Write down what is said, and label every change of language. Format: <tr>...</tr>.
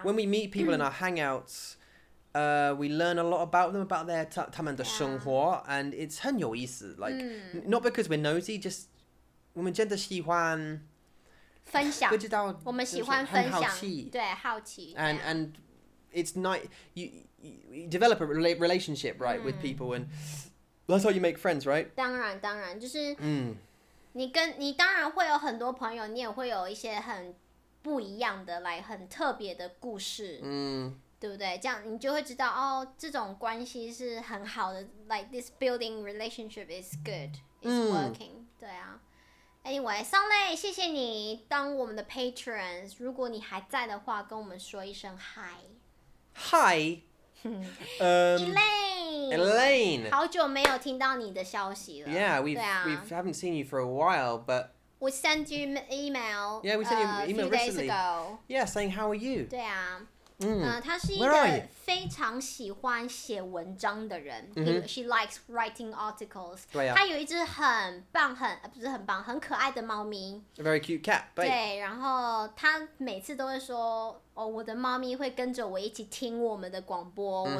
<en>So when we meet people in our hangouts, we learn a lot about them, about their</en> <zh>他们的生活</zh> <en>and it's</en> <zh>很有意思</zh> <en>Like, not because we're nosy, just</en> <zh>我们真的喜欢分享。不知道。我们喜欢分享。很好奇。对，好奇。</zh> <en>And it's nice. You develop a relationship, right, with people and. That's how you make friends, right?</en> <zh>当然，当然，就是你当然会有很多朋友，你也会有一些很不一样的、</zh> <en>like,</en> <zh>很特别的故事，对不对？这样你就会知道哦，这种关系是很好的 ，</zh> <en>like this building relationship is good, is working.</en> <zh>对啊。</zh> <en>Anyway,</en> <zh>Sunlay, 谢谢你当我们的 patrons. 如果你还在的话，跟我们说一声 hi.</zh> <en>Hi.</en> <zh>Elaine, 好久没有听到你的消息了。</zh> <en>Yeah, we haven't seen you for a while, but we sent you email. Yeah, we sent you email a few days recently. Ago. Yeah, saying how are you?</en> <zh>对啊，她是一个非常喜欢写文章的人。</zh> <en>She likes writing articles.</en> <zh>对啊，她有一只很棒很不是很棒很可爱的猫咪。</zh> <en>A very cute cat.</en> <zh>对，然后她每次都会说。哦、oh, ，我的猫咪会跟着我一起听我们的广播， mm-hmm.</zh>